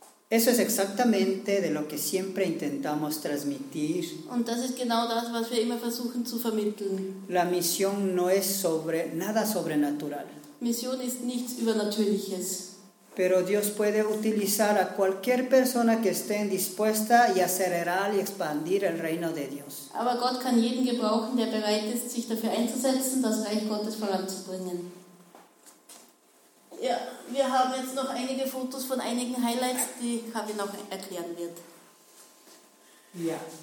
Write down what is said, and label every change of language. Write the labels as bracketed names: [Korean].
[Spanish] Eso es exactamente de lo que siempre intentamos transmitir. [German] Und das ist genau das, was wir immer versuchen zu vermitteln. [Spanish] La misión no es sobre nada sobrenatural. [German] Misión ist nichts Übernatürliches. [Spanish] Pero Dios puede utilizar a cualquier persona que esté dispuesta y acelerar y expandir el reino de Dios. [German] Aber Gott kann jeden gebrauchen, der bereit ist, sich dafür einzusetzen, das Reich Gottes voranzubringen. Ja, wir haben jetzt noch einige Fotos von einigen Highlights, die Kavi noch erklären wird. Ja.